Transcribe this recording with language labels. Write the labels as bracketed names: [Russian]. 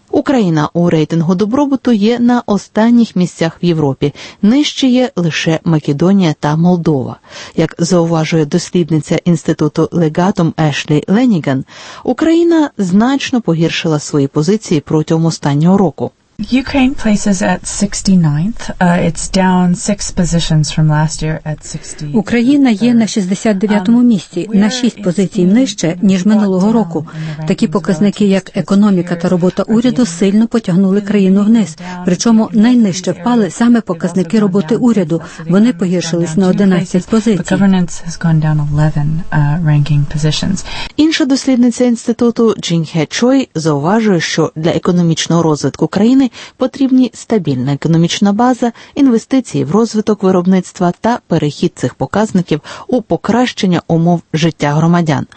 [Ukrainian] Україна у рейтингу добробуту є на останніх місцях в Європі. Нижче є лише Македонія та Молдова. Як зауважує дослідниця Інституту Legatum Ешлі Леніган, Україна значно погіршила свої позиції протягом останнього року. [English] Ukraine places at 69th. It's down 6 positions from last year at 69th. [Ukrainian] Україна є на 69-му місці, на 6 позицій нижче, ніж минулого року. Такі показники, як економіка та робота уряду, сильно потягнули країну вниз. Причому найнижче впали саме показники роботи уряду. Вони погіршились на 11 позицій. [English] Governance has gone down 11 ranking positions. [Ukrainian] Інша дослідниця інституту Джінхе Чой зауважує, що для економічного розвитку країни потрібні стабільна економічна база, інвестиції в розвиток виробництва та перехід цих показників у покращення умов життя громадян.